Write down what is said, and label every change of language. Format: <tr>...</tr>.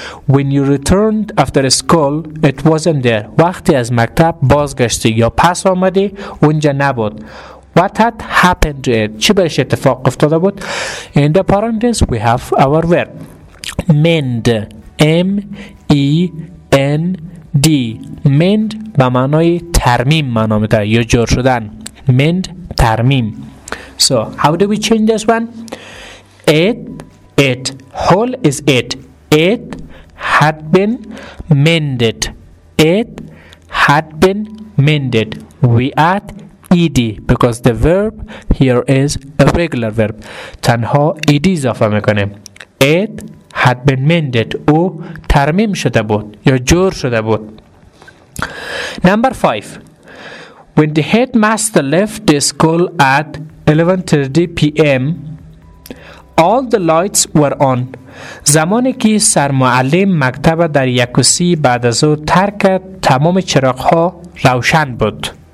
<en>When you returned after school, it wasn't there.</en> <fa>وقتی از مکتب بازگشتی یا پس آمدی اونجا نبود.</fa> <en>What had happened to it?</en> <fa>چی بهش اتفاق افتاده بود؟</fa> <en>In the parentheses, we have our verb. Mend. M-E-N-D.</en> <fa>Mend به معنای ترمیم معنا می‌ده یا جور شدن.</fa> <en>Mend, ترمیم. So, how do we change this one? It. Hole is it. It had been mended. It had been mended. We add ed because the verb here is a regular verb.</en> <fa>تنها ed اضافه میکنه.</fa> <en>It had been mended.</en> <fa>او ترمیم شده بود یا جور شده بود.</fa> <en>Number 5. When the headmaster left the school at 11:30 p.m. all the lights were on.</en> <fa>زمانی که سرمعلم مکتب در 1:30 بعد از ظهر ترک کرد تمام چراغ ها روشن بود.</fa>